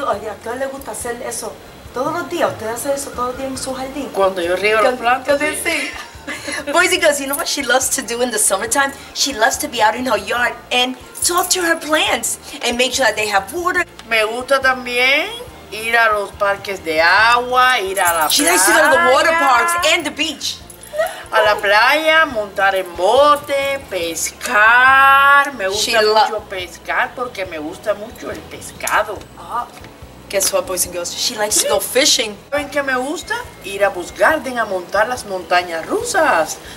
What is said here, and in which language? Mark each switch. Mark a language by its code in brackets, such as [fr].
[es] ¿A qué le gusta hacer eso todos los días? ¿Usted hace eso todos los días en su jardín? Cuando yo riego las plantas, sí. [en] Boys and girls, you know what she loves to do in the summertime? She loves to be out in her yard and talk to her plants and make sure that they have water. [es] Me gusta también ir a los parques de agua, ir a la [en] she [es] playa. [en] She likes to go to the water parks and the beach. [es] A la playa, montar en bote, pescar. Me gusta mucho pescar porque me gusta mucho el pescado. [en] Guess what, boys and girls? She likes to go fishing. [es] ¿Saben qué me gusta? Ir a Busch Garden a montar las montañas rusas.